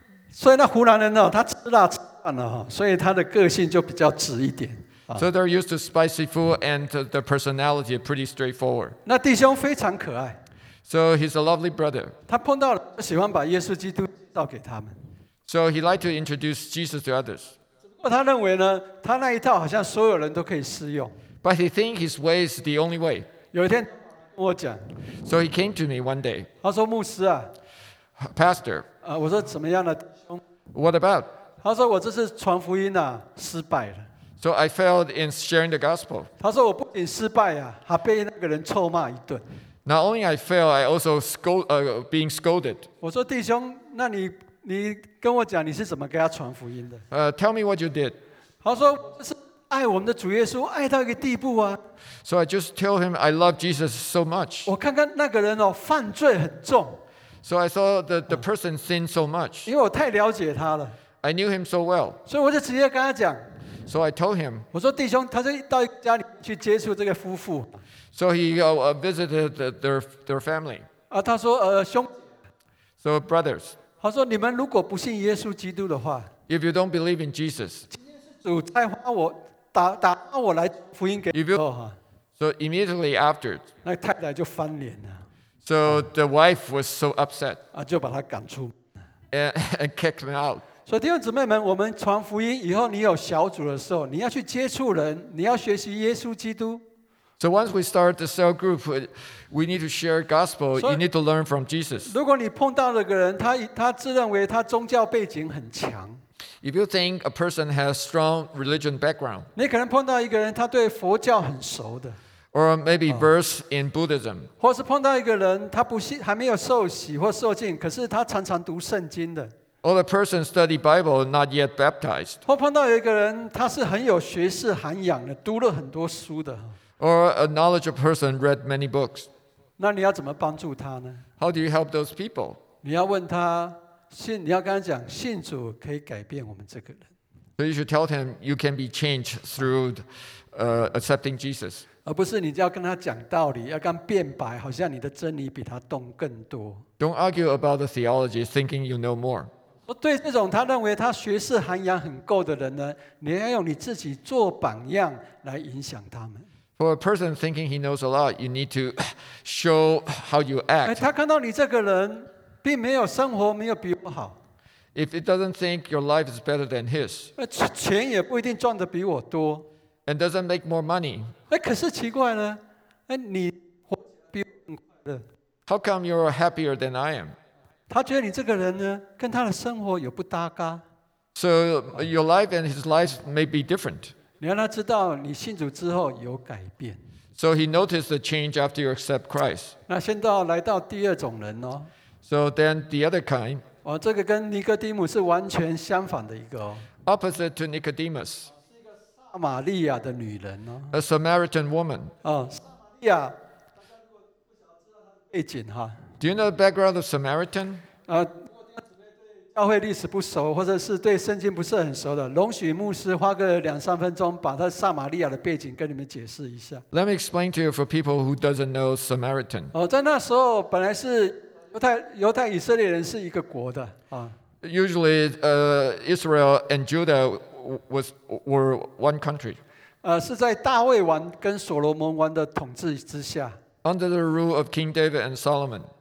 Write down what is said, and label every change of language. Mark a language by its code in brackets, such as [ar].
[zh] 所以那湖南人、哦、他吃辣吃惯了、哦、所以他的个性就比较直一点。 [en] So they're used to spicy food and their personality is pretty straightforward. [zh] 那弟兄非常可爱。 [en] So he's a lovely brother. [zh] 他碰到了喜欢把耶稣基督介绍给他们。 [en] So he liked to introduce Jesus to others. [zh] 只不过他认为呢，他那一套好像所有人都可以适用。 [en] But he thinks his way is the only way. [zh] 有一天我讲。 [en] So he came to me one day. [zh] 他说牧师啊。 [en] Pastor, [zh] 我说怎么样的弟兄 [en] ？What about? [zh] 他说我这次传福音啊失败了。 [en] So I failed in sharing the gospel. [zh] 他说我不仅失败啊，还被那个人臭骂一顿。 [en] Not only I failed, I also being scolded. [zh] 我说弟兄，那你跟我讲你是怎么给他传福音的 [en] ？Tell me what you did. [zh] 他说是爱我们的主耶稣爱到一个地步啊。 [en] So I just tell him I love Jesus so much. [zh] 我看看那个人哦，犯罪很重。 [en] So I saw the person sin so much. [zh] 因为我太了解他了。 [en] I knew him so well. [zh] 所以我就直接跟他讲。 [en] So I told him. [zh] 我说弟兄，他就到家里去接触这个夫妇。 [en] So he visited their family. [zh] 他说兄。 [en] So brothers. [zh] 他说你们如果不信耶稣基督的话。 [en] If you don't believe in Jesus. [zh] 主差花我打我来福音给。 [en] So immediately after. [zh] 那太太就翻脸了。 [en] So the wife was so upset. [zh] 就把他赶出。 [en] And kicked him out. [zh] 所以弟兄姊妹们，我们传福音以后，你有小组的时候，你要去接触人，你要学习耶稣基督。 [en] So once we start the cell group, we need to share gospel. You need to learn from Jesus. [zh] 如果你碰到那个人，他自认为他宗教背景很强。 [en] If you think a person has strong religion background. [zh] 你可能碰到一个人，他对佛教很熟的。 [en] Or maybe verse in Buddhism. [zh] 或是碰到一个人，他不信，还没有受洗或受浸，可是他常常读圣经的。 [en] Or a person study Bible, not yet baptized. [zh] 或碰到一个人，他是很有学识涵养的，读了很多书的。 [en] Or a knowledgeable person read many books. [zh] 那你要怎么帮助他呢 [en] ？How do you help those people? [zh] 你要问他信，你要跟他讲，信主可以改变我们这个人。 [en] So you should tell him you can be changed through accepting Jesus. [zh] 而不是你要跟他讲道理，要跟他辩白，好像你的真理比他懂更多。 [en] Don't argue about the theology, thinking you know more. [zh] 对这种他认为他学识涵养很够的人呢，你要用你自己做榜样来影响他们。 [en] For a person thinking he knows a lot, you need to show how you act. [zh] 他看到你这个人，并没有生活没有比我好。 [en] If it doesn't think your life is better than his. [zh] 钱也不一定赚得比我多。 [en] And doesn't make more money. [zh] 可是奇怪呢，你活比我更快乐。 [en] How come you're happier than I am? [zh] 他觉得你这个人呢，跟他的生活有不搭嘎。 [en] So your life and his life may be different. [zh] 你让他知道你信主之后有改变。 [en] So he noticed the change after you accept Christ. [zh] 那现在来到第二种人哦。 [en] So then the other kind. [zh] 这个跟尼哥底母是完全相反的一个哦。 [en] Opposite to Nicodemus. [zh] 撒玛利亚的女人哦 [en] ，A Samaritan woman。 [zh] 哦，撒玛利亚，大家如果不晓得知道她的背景哈 [en] ，Do you know the background of Samaritan？ [zh] 教会历史不熟，或者是对圣经不是很熟的，容许牧师花个两三分钟，把她撒玛利亚的背景跟你们解释一下。 [en] Let me explain to you for people who doesn't know Samaritan。 [zh] 哦，在那时候本来是犹太以色列人是一个国的啊。 [en] Usually, Israel and Judah. Were one country. [zh] 是在大卫王跟所罗门王的统治之下。 [en] Under the rule of King David and Solomon.